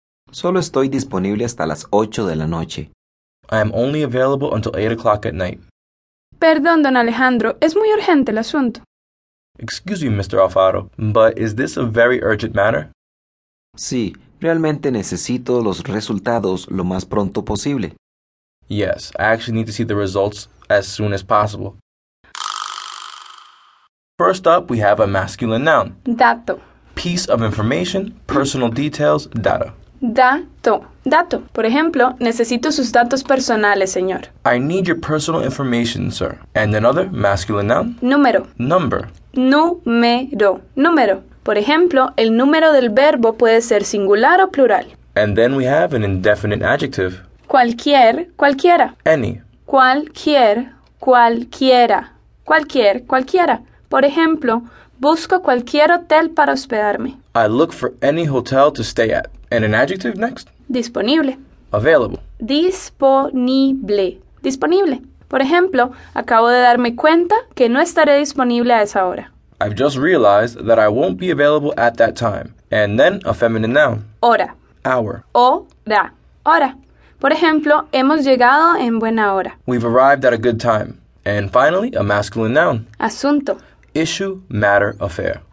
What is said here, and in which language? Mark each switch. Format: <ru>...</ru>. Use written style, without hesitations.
<es>Solo estoy disponible hasta las 8 de la noche.</es> <en>I am only available until 8 o'clock at night.</en> <es>Perdón, don Alejandro, es muy urgente el asunto.</es> <en>Excuse me, Mr. Alfaro, but is this a very urgent matter?</en> <es>Sí, realmente necesito los resultados lo más pronto posible.</es> <en>Yes, I actually need to see the results as soon as possible. First up, we have a masculine noun.</en> <es>Dato.</es> <en>Piece of information, personal details, data.</en> <es>Dato. Dato. Por ejemplo, necesito sus datos personales, señor.</es> <en>I need your personal information, sir. And another masculine noun?</en> <es>Número.</es> <en>Number.</en> <es>Número. Número. Por ejemplo, el número del verbo puede ser singular o plural.</es> <en>And then we have an indefinite adjective.</en> <es>Cualquier, cualquiera.</es> <en>Any.</en> <es>Cualquier, cualquiera. Cualquier, cualquiera. Por ejemplo, busco cualquier hotel para hospedarme.</es> <en>I look for any hotel to stay at. And an adjective next?</en> <es>Disponible.</es> <en>Available.</en> <es>Disponible. Disponible. Por ejemplo, acabo de darme cuenta que no estaré disponible a esa hora.</es> <en>I've just realized that I won't be available at that time. And then a feminine noun.</en> <es>Hora.</es> <en>Hour.</en> <es>Hora. Hora. Por ejemplo, hemos llegado en buena hora.</es> <en>We've arrived at a good time. And finally, a masculine noun.</en> <es>Asunto.</es> <en>Issue, matter, affair.</en>